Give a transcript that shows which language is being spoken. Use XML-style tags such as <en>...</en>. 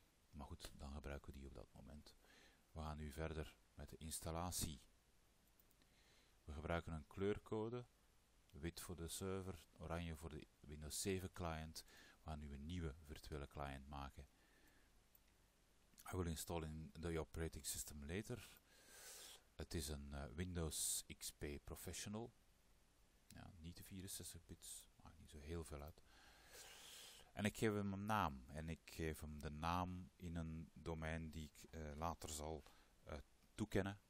<nl>Maar goed, dan gebruiken we die op dat moment. We gaan nu verder met de installatie. We gebruiken een kleurcode. Wit voor de server, oranje voor de Windows 7 client. We gaan nu een nieuwe virtuele client maken.</nl> <en>I will install in the operating system later.</en> <nl>Het is een Windows XP Professional. Ja, niet de 64 bits, maakt niet zo heel veel uit. En ik geef hem een naam. En ik geef hem de naam in een domein die ik later zal toekennen.</nl>